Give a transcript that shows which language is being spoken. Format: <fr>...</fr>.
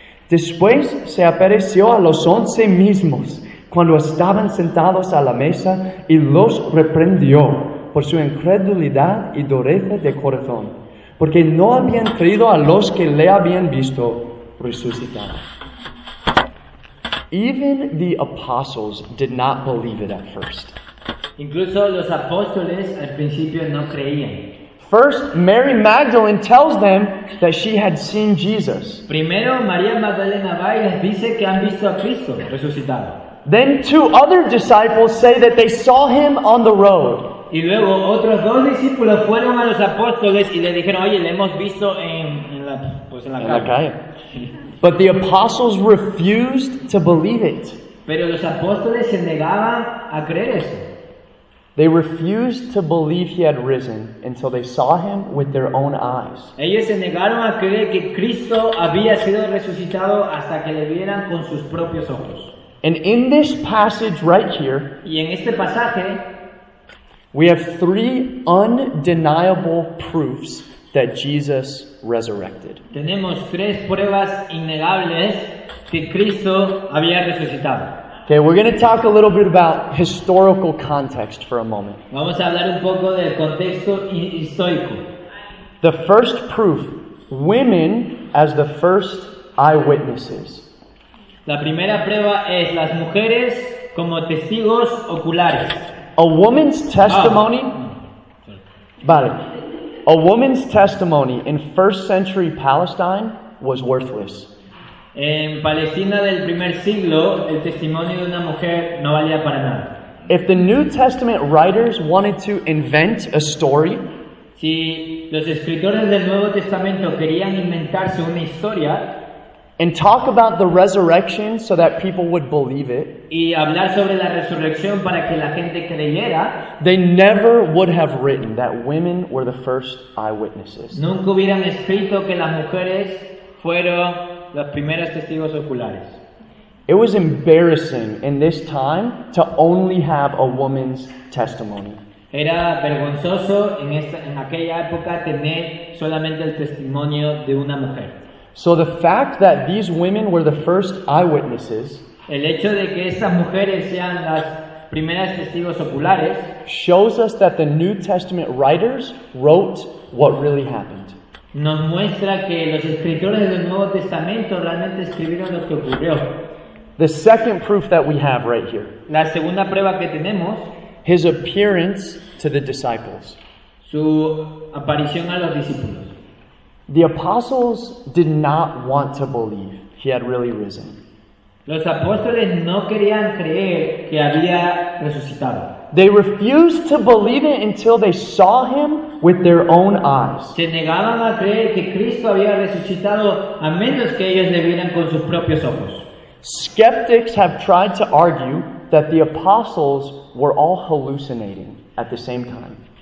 <es>Después se apareció a los 11 mismos cuando estaban sentados a la mesa y los reprendió por su incredulidad y dureza de corazón, porque no habían creído a los que le habían visto resucitar.</es> <en>Even the apostles did not believe it at first.</en> <es>Incluso los apóstoles al principio no creían.</es> <en>First, Mary Magdalene tells them that she had seen Jesus.</en> <es>Primero, María Magdalena va y les dice que han visto a Cristo resucitado.</es> <en>Then two other disciples say that they saw him on the road.</en> <es>Y luego otros dos discípulos fueron a los apóstoles y le dijeron, oye, le hemos visto en la calle.</es> <en>But the apostles refused to believe it.</en> <es>Pero los apóstoles se negaban a creer eso.</es> <en>They refused to believe he had risen until they saw him with their own eyes.</en> <es>Ellos se negaron a creer que Cristo había sido resucitado hasta que le vieran con sus propios ojos.</es> <en>And in this passage right here,</en> <es>y en este pasaje,</es> <en>we have three undeniable proofs that Jesus resurrected.</en> <es>Tenemos tres pruebas innegables que Cristo había resucitado.</es> <en>Okay, we're going to talk a little bit about historical context for a moment.</en> <es>Vamos a hablar un poco del contexto histórico.</es> <en>The first proof, women as the first eyewitnesses.</en> <es>La primera prueba es las mujeres como testigos oculares.</es> <en>A woman's testimony. Vale. A woman's testimony in first century Palestine was worthless.</en> <es>En Palestina del primer siglo, el testimonio de una mujer no valía para nada.</es> <en>If the New Testament writers wanted to invent a story,</en> <es>si los escritores del Nuevo Testamento querían inventarse una historia,</es> <en>and talk about the resurrection so that people would believe it,</en> <es>y hablar sobre la resurrección para que la gente creyera,</es> <en>they never would have written that women were the first eyewitnesses.</en> <es>Nunca hubieran escrito que las mujeres fueron las primeras testigos oculares.</es> <en>It was embarrassing in this time to only have a woman's testimony.</en> <es>Era vergonzoso en aquella época tener solamente el testimonio de una mujer.</es> <en>So the fact that these women were the first eyewitnesses,</en> <es>el hecho de que estas mujeres sean las primeras testigos oculares,</es> <en>shows us that the New Testament writers wrote what really happened.</en> <es>Nos muestra que los escritores del Nuevo Testamento realmente escribieron lo que ocurrió.</es> <en>The second proof that we have right here.</en> <es>La segunda prueba que tenemos.</es> <en>His appearance to the disciples.</en> <es>Su aparición a los discípulos.</es> <en>The apostles did not want to believe he had really risen.</en> <es>Los apóstoles no querían creer que había resucitado.</es> <en>They refused to believe it until they saw him with their own eyes.</en> <es>Se negaban a creer que Cristo había resucitado a menos que ellos le vieran con sus propios ojos.</es> <en>Skeptics have tried to argue that the apostles were all hallucinating at the same time.</en>